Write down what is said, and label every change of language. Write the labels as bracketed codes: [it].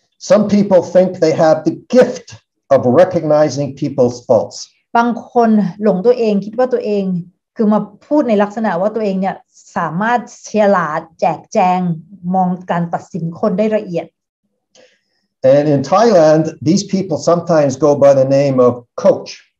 [en] Some people think they have the giftOf recognizing people's faults. [th] บางคนหลงตัวเองคิดว่าตัวเองคือมาพูดในลักษณะว่าตัวเองเนี่ยสามารถเฉลาดแจกแจงมองการตัดสินคนได้ละเอียด [en] And in Thailand, these people sometimes go by the name of coach.